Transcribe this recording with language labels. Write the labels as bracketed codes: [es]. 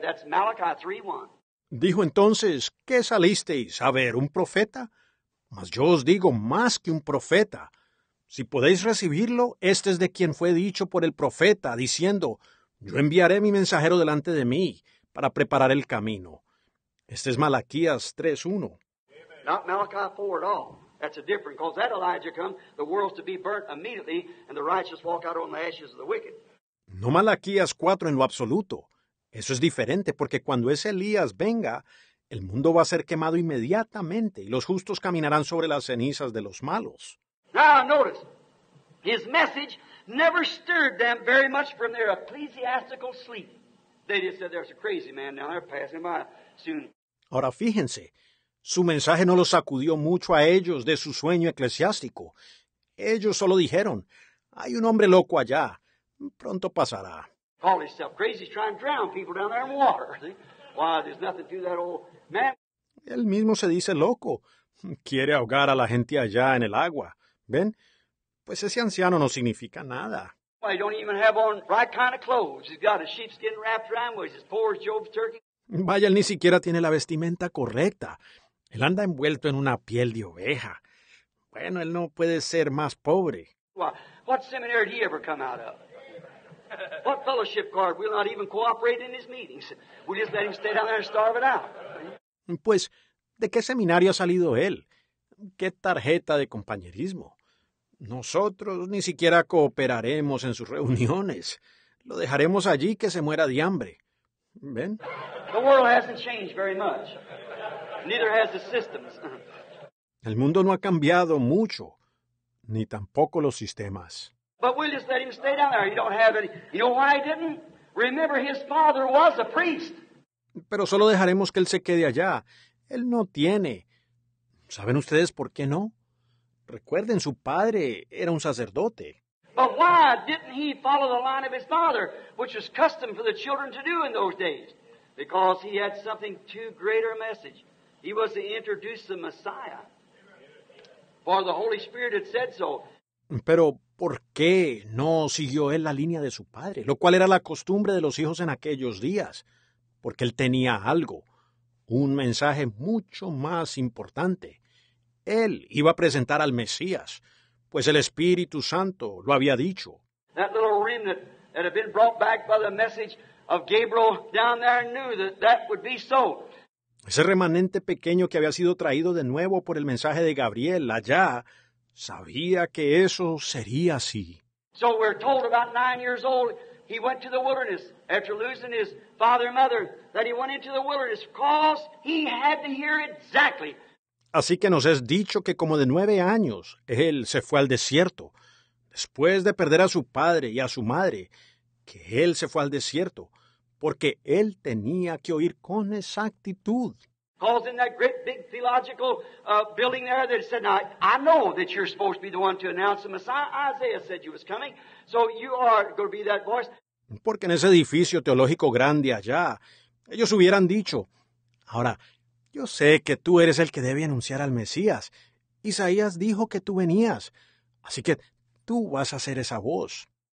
[en] That's Malachi 3:1. [es] Dijo entonces, ¿qué salisteis? A ver, ¿un profeta? Mas yo os digo, más que un profeta. Si podéis recibirlo, este es de quien fue dicho por el profeta, diciendo, yo enviaré mi mensajero delante de mí para preparar el camino. Este es Malaquías 3:1. [en] Not Malachi 4 at all. That's a different, because that Elijah come, the world's to be burnt immediately, and the righteous walk out on the ashes of the wicked. [es] No Malaquías 4 en lo absoluto. Eso es diferente, porque cuando ese Elías venga, el mundo va a ser quemado inmediatamente, y los justos caminarán sobre las cenizas de los malos. [en] Now notice, his message never stirred them very much from their ecclesiastical sleep. They just said, there's a crazy man down there passing by soon. [es] Ahora fíjense, su mensaje no los sacudió mucho a ellos de su sueño eclesiástico. Ellos solo dijeron, hay un hombre loco allá, pronto pasará. [en] Call himself crazy, trying to drown people down there in water. Why, there's nothing to that old man. [es] Él mismo se dice loco, quiere ahogar a la gente allá en el agua. ¿Ven? Pues ese anciano no significa nada. [en] Why, he don't even have on right kind of clothes. He's got a sheepskin wrapped around him, he's as poor as Job's turkey. [es] Vaya, él ni siquiera tiene la vestimenta correcta. Él anda envuelto en una piel de oveja. Bueno, él no puede ser más pobre. [en] What seminary did he ever come out of? What fellowship card? We'll not even cooperate in his meetings. We'll just let him stay down there and starve it out. [es] Pues, ¿de qué seminario ha salido él? ¿Qué tarjeta de compañerismo? Nosotros ni siquiera cooperaremos en sus reuniones. Lo dejaremos allí que se muera de hambre. ¿Ven? [en] The world hasn't changed very much. Neither has the systems. [es] El mundo no ha cambiado mucho, ni tampoco los sistemas. [en] But we'll just let him stay down there. He don't have any. You know why he didn't? Remember, his father was a priest. [es] Pero solo dejaremos que él se quede allá. Él no tiene. ¿Saben ustedes por qué no? Recuerden, su padre era un sacerdote. [en] But why didn't he follow the line of his father, which was custom for the children to do in those days? Because he had something too greater a message. He was to introduce the Messiah. For the Holy Spirit had said so. [es] Pero, ¿por qué no siguió él la línea de su padre? Lo cual era la costumbre de los hijos en aquellos días. Porque él tenía algo, un mensaje mucho más importante. Él iba a presentar al Mesías, pues el Espíritu Santo lo había dicho. [en] That little remnant that had been brought back by the message of Gabriel down there knew that that would be so. [es] Ese remanente pequeño que había sido traído de nuevo por el mensaje de Gabriel allá, sabía que eso sería así. [en] So we're told about 9 years old, he went to the wilderness after losing his father and mother, that he went into the wilderness because he had to hear exactly. [es] Así que nos es dicho que como de 9 años, él se fue al desierto. Después de perder a su padre y a su madre, que él se fue al desierto, porque él tenía que oír con exactitud. [en] Because in that great big theological building there, they said, now, I know that you're supposed to be the one to announce the Messiah. Isaiah said you was coming, so you are going to be that voice. [es] Porque en ese edificio teológico grande allá, ellos hubieran dicho, ahora, yo sé que tú eres el que debe anunciar al Mesías. Isaías dijo que tú venías. Así que tú vas a ser esa voz.